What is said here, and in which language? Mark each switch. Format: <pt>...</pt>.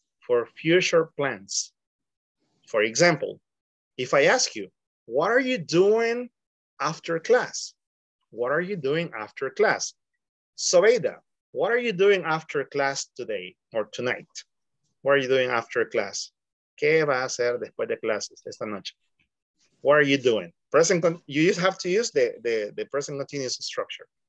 <en>For future plans. For example, if I ask you, what are you doing after class? What are you doing after class? Sobeida, what are you doing after class today or tonight? What are you doing after class?</en> <es>¿Qué va a hacer después de clases esta noche?</es> <en>What are you doing? You just have to use the present continuous structure.</en>